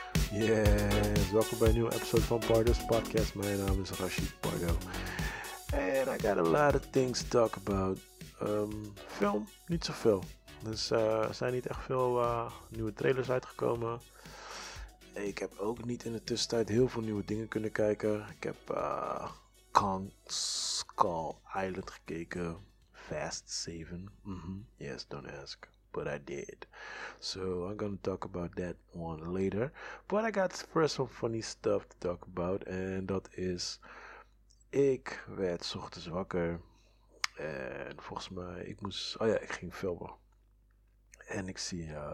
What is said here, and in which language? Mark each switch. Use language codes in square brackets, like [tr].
[nl] Yes, welkom bij een nieuwe episode van Pardo's podcast. Mijn naam is Rashid Pardo. [en] And I got a lot of things to talk about. [nl] Film, niet zoveel. Dus er zijn niet echt veel nieuwe trailers uitgekomen. Ik heb ook niet in de tussentijd heel veel nieuwe dingen kunnen kijken. Ik heb Kong Skull Island gekeken. [en] Fast 7. Mm-hmm. Yes, don't ask. But I did. So I'm gonna talk about that one later. But I got first some funny stuff to talk about. [nl] En dat is... Ik werd 's ochtends wakker. En volgens mij, ik moest... Oh ja, ik ging filmen. En ik zie...